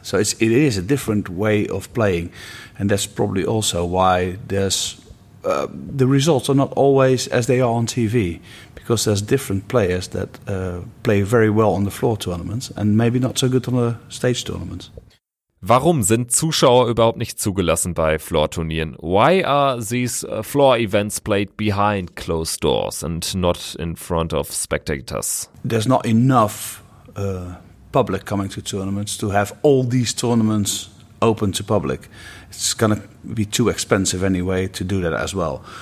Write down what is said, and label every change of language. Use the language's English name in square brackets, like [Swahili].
[English] So it is a different way of playing, and that's probably also why the results are not always as they are on TV, because there's different players that play very well on the floor tournaments and maybe not so good on the stage tournaments. [German] Warum sind Zuschauer überhaupt nicht zugelassen bei Floor-Turnieren? [English] Why are these floor events played behind closed doors and not in front of spectators? There's not enough public coming to tournaments to have all these tournaments open to public. It's going to be too expensive anyway to do that as well.